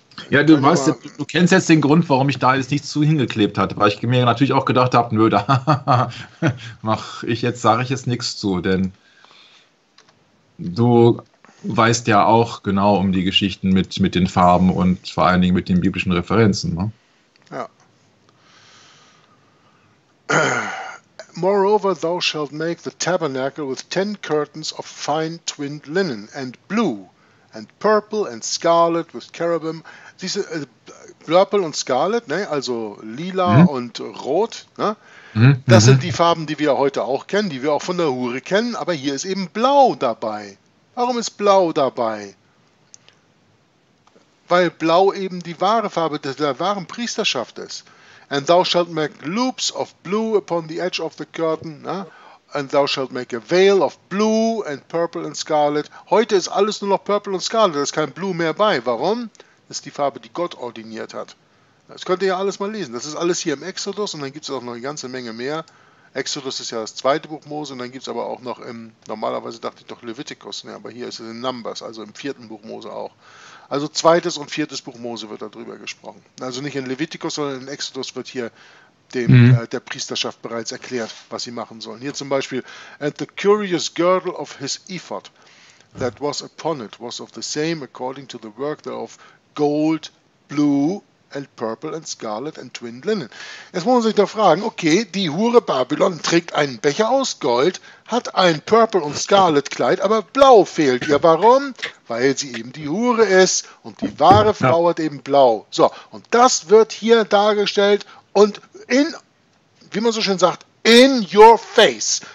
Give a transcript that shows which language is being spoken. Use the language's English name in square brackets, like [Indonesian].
[German] Ja, du weißt, du kennst jetzt den Grund, warum ich da jetzt nicht zu hingeklebt hatte, weil ich mir natürlich auch gedacht habe, nö, da sage ich jetzt nichts zu, denn du weißt ja auch genau um die Geschichten mit den Farben und vor allen Dingen mit den biblischen Referenzen, ne? [English] Moreover, thou shalt make the tabernacle with 10 curtains of fine twined linen, and blue, and purple, and scarlet, with cherubim. [German] Diese purple und scarlet, ne, also lila und rot, ne, das sind die Farben, die wir heute auch kennen, die wir auch von der Hure kennen, aber hier ist eben blau dabei. Warum ist blau dabei? Weil blau eben die wahre Farbe der wahren Priesterschaft ist. [English] And thou shalt make loops of blue upon the edge of the curtain. Ne? And thou shalt make a veil of blue and purple and scarlet. [German] Heute ist alles nur noch purple und scarlet. Da ist kein blue mehr bei. Warum? Das ist die Farbe, die Gott ordiniert hat. Das könnt ihr ja alles mal lesen. Das ist alles hier im Exodus. Und dann gibt es auch noch eine ganze Menge mehr. Exodus ist ja das zweite Buch Mose, und dann gibt es aber auch noch im, normalerweise dachte ich doch Leviticus, ne, aber hier ist es in Numbers, also im vierten Buch Mose auch. Also zweites und viertes Buch Mose wird darüber gesprochen. Also nicht in Leviticus, sondern in Exodus wird hier der Priesterschaft bereits erklärt, was sie machen sollen. Hier zum Beispiel, [English] and the curious girdle of his ephod that was upon it was of the same according to the work thereof, gold, blue, and purple, and scarlet, and twinned linen. [German] Jetzt muss man sich doch fragen, okay, die Hure Babylon trägt einen Becher aus Gold, hat ein purple und scarlet Kleid, aber blau fehlt ihr. Warum? Weil sie eben die Hure ist und die wahre Frau hat eben blau. So, und das wird hier dargestellt und in, wie man so schön sagt, [English] in your face.